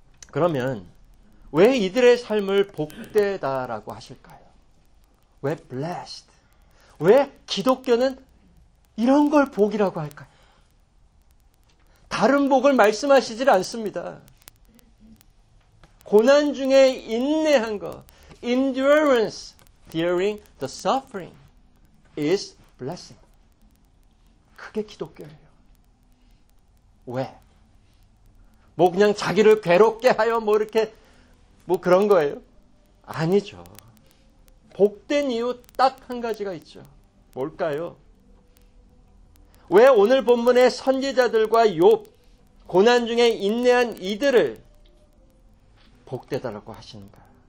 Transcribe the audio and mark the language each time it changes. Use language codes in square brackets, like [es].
[ko] 그러면 왜 이들의 삶을 복되다라고 하실까요? 왜 [en] blessed? [ko] 왜 기독교는 이런 걸 복이라고 할까요? 다른 복을 말씀하시질 않습니다. 고난 중에 인내한 것, [en] endurance during the suffering is blessing. [ko] 그게 기독교예요. 왜? 뭐 그냥 자기를 괴롭게 하여 뭐 이렇게 뭐 그런 거예요? 아니죠. 복된 이유 딱 한 가지가 있죠. 뭘까요? 왜 오늘 본문의 선지자들과 욥, 고난 중에 인내한 이들을 복되다라고 하시는가?